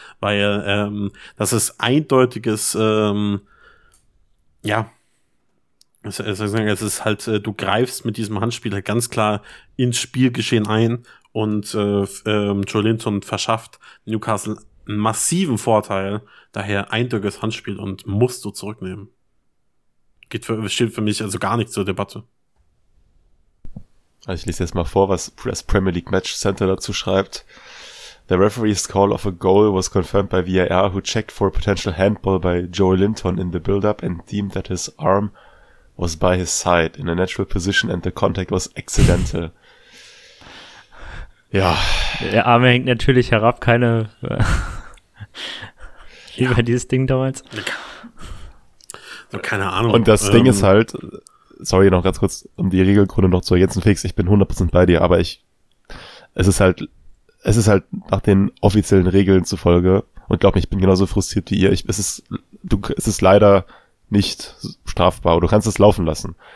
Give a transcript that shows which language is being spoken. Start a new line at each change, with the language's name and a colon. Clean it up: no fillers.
German: Weil das ist eindeutiges, es ist halt, du greifst mit diesem Handspiel halt ganz klar ins Spielgeschehen ein und Joe Linton verschafft Newcastle einen massiven Vorteil, daher eindeutiges Handspiel und musst du zurücknehmen. Steht für mich also gar nicht zur Debatte. Also ich lese jetzt mal vor, was das Premier League Match Center dazu schreibt.
English: The referee's call of a goal was confirmed by VAR, who checked for a potential handball by Joe Linton in the build-up and deemed that his arm was by his side in a natural position and the contact was accidental.
German: Ja. Der Arm hängt natürlich herab, keine wie war dieses Ding damals? Keine Ahnung. Und das Ding ist halt, sorry, noch ganz kurz, um die Regelgründe noch zu ergänzen, Felix, ich bin 100% bei dir, aber es ist halt nach den offiziellen Regeln zufolge, und glaub mir, ich bin genauso frustriert wie ihr, es ist leider nicht strafbar, du kannst es laufen lassen.